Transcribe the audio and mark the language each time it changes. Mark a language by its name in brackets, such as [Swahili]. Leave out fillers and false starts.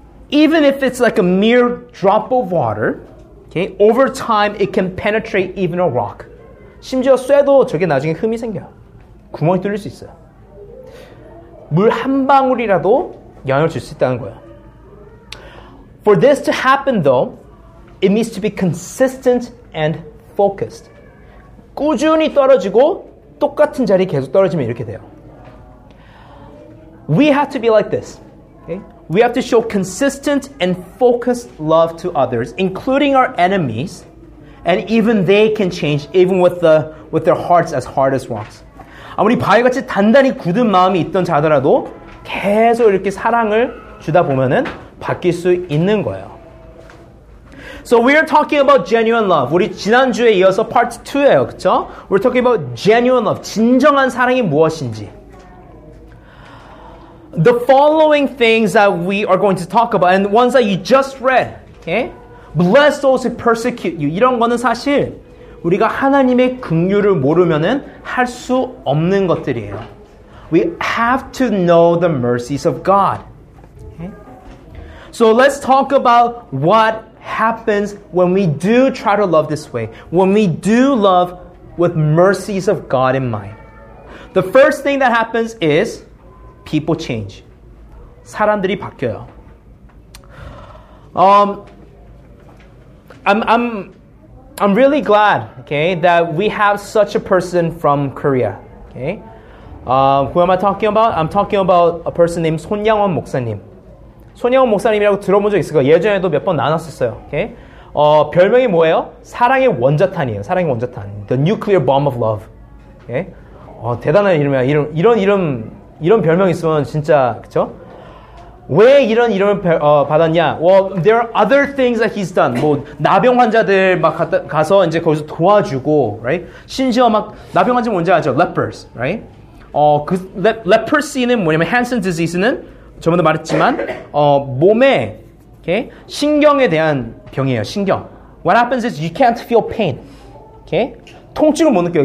[English] Even if it's like a mere drop of water, okay, over time it can penetrate even a rock. [Korean] 심지어 쇠도 저게 나중에 흠이 생겨. 구멍이 뚫릴 수 있어요. 물 한 방울이라도 영향을 줄 수 있다는 거예요. [English] For this to happen though, it needs to be consistent and focused. [Korean] 꾸준히 떨어지고 똑같은 자리 계속 떨어지면 이렇게 돼요. [English] We have to be like this. Okay? We have to show consistent and focused love to others, including our enemies, and even they can change, even with their hearts as hard as rocks. [Korean] 아무리 바위같이 단단히 굳은 마음이 있던 자더라도 계속 이렇게 사랑을 주다 보면은 바뀔 수 있는 거예요. [English] So we are talking about genuine love. [Korean] 우리 지난주에 이어서 part 2예요. 그쵸? [English] We're talking about genuine love. [Korean] 진정한 사랑이 무엇인지. [English] the following things that we are going to talk about and the ones that you just read, okay? Bless those who persecute you. [Korean] 이런 거는 사실 우리가 하나님의 긍휼을 모르면은 할 수 없는 것들이에요. [English] We have to know the mercies of God. So let's talk about what happens when we do try to love this way. When we do love with mercies of God in mind. The first thing that happens is people change. [Korean] 사람들이 바뀌어요. [English] I'm really glad, okay, that we have such a person from Korea. Okay? Who am I talking about? I'm talking about a person named 손양원 목사님. [Korean] 손양원 목사님이라고 들어본 적 있을 거예요. 예전에도 몇 번 나눴었어요. Okay? 별명이 뭐예요? 사랑의 원자탄이에요. 사랑의 원자탄. [English] The nuclear bomb of love. Okay? [Korean] 대단한 이름이야. 이런 별명 있으면 진짜, 그쵸? 왜 이런 이름을 받았냐? [English] Well, there are other things that he's done. [Korean] 뭐, 나병 환자들 막 가서 이제 거기서 도와주고, right? 심지어 막, 나병 환자 뭔지 알죠? [English] Lepers, right? [Korean] Leprosy는 뭐냐면, Hansen disease는 저번에 말했지만 몸에 okay? 신경에 대한 병이에요. 신경. [English] What happens is you can't feel pain. Okay? [Korean] 통증을 못 느껴요.